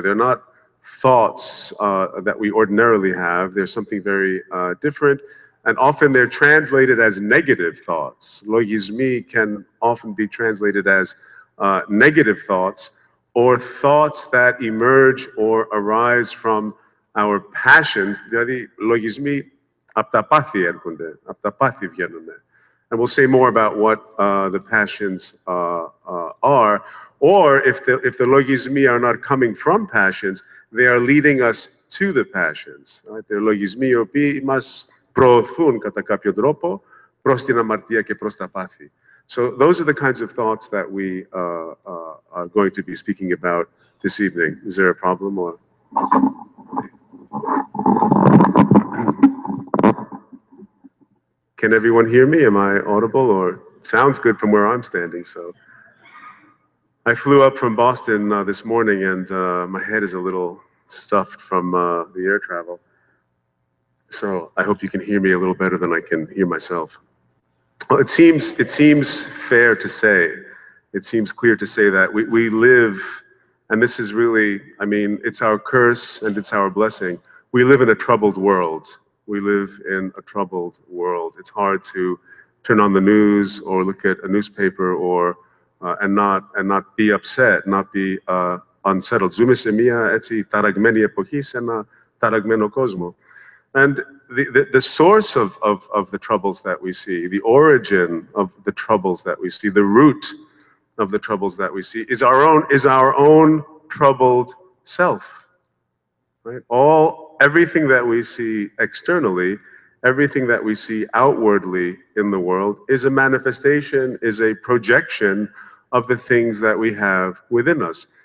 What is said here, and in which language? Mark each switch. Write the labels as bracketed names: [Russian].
[English] They're not thoughts that we ordinarily have. They're something very different, and often they're translated as negative thoughts. Logismi can often be translated as negative thoughts, or thoughts that emerge or arise from our passions. [Greek] Δηλαδή, λογισμοί από τα πάθη έρχονται, από τα πάθη βγαίνουν. [English] And we'll say more about what the passions are. Or if the λογισμοί are not coming from passions, they are leading us to the passions. Right? They're [Greek] λογισμοί οι οποίοι μας προωθούν κατά κάποιο τρόπο προς την αμαρτία και προς τα πάθη. [English] So those are the kinds of thoughts that we are going to be speaking about this evening. Is there a problem? Or can everyone hear me? Am I audible? Or sounds good from where I'm standing? So I flew up from Boston this morning, and my head is a little stuffed from the air travel. So I hope you can hear me a little better than I can hear myself. Well, it seems fair to say, it seems clear to say that we live, and this is really, I mean, it's our curse and it's our blessing. We live in a troubled world. We live in a troubled world. It's hard to turn on the news or look at a newspaper or and not be upset, not be unsettled. [Greek] Ζούμε μια έτσι ταραγμένη εποχή σε ένα ταραγμένο κόσμο. [English] And the source of the troubles that we see, the origin of the troubles that we see, the root of the troubles that we see is our own troubled self. Right? Everything that we see externally, everything that we see outwardly in the world is a manifestation, is a projection of the things that we have within us.